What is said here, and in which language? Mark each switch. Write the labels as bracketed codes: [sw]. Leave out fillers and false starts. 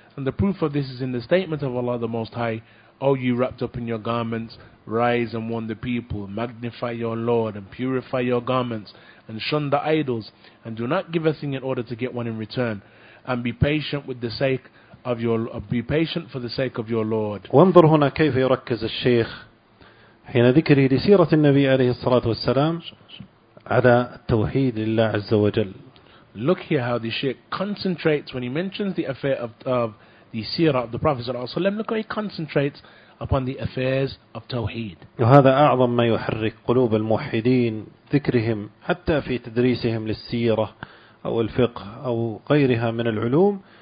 [en] And the proof of this is in the statement of Allah the Most High, O you wrapped up in your garments, rise and warn the people, magnify your Lord and purify your garments, and shun the idols, and do not give a thing in order to get one in return, and be patient for the sake of your Lord. [ar] وانظر هنا كيف يركز الشيخ حين ذكره لسيرة النبي عليه الصلاة والسلام على التوحيد لله عز وجل. [en] Look here how the Shaykh concentrates when he mentions the affair of the seerah of the Prophet صلى الله عليه وسلم. Look how he concentrates upon the affairs of Tawheed. [ar] وهذا أعظم ما يحرك قلوب الموحدين ذكرهم حتى في تدريسهم للسيرة أو الفقه أو غيرها من العلوم.